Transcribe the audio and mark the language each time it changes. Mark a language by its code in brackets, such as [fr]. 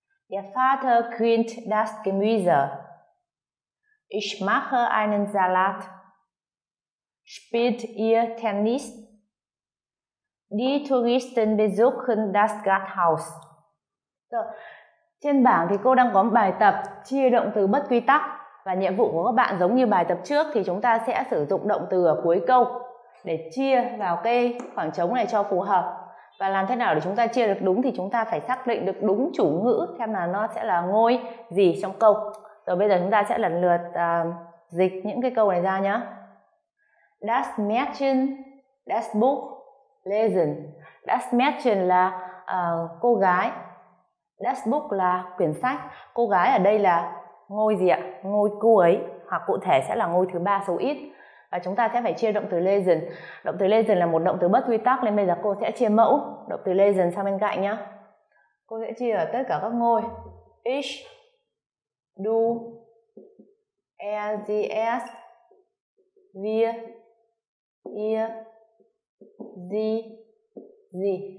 [de] Der Vater grillt das Gemüse. Ich mache einen Salat. Spielt ihr Tennis? Die Touristen besuchen das Rathaus. So. [vi] Trên bảng thì cô đang có một bài tập chia động từ bất quy tắc. Và nhiệm vụ của các bạn giống như bài tập trước thì chúng ta sẽ sử dụng động từ ở cuối câu để chia vào cái khoảng trống này cho phù hợp. Và làm thế nào để chúng ta chia được đúng thì chúng ta phải xác định được đúng chủ ngữ xem là nó sẽ là ngôi gì trong câu. Rồi bây giờ chúng ta sẽ lần lượt dịch những cái câu này ra nhé. [de] Das Mädchen, das Buch, lesen. Das Mädchen [vi] là cô gái. [de] Das Buch [vi] là quyển sách. Cô gái ở đây là ngôi gì ạ? Ngôi cô ấy, hoặc cụ thể sẽ là ngôi thứ ba số ít. Và chúng ta sẽ phải chia động từ lesen. Động từ lesen là một động từ bất quy tắc, nên bây giờ cô sẽ chia mẫu động từ lesen sang bên cạnh nhé. Cô sẽ chia ở tất cả các ngôi. [de] Ich, du, er, sie, es, wir, ihr, sie.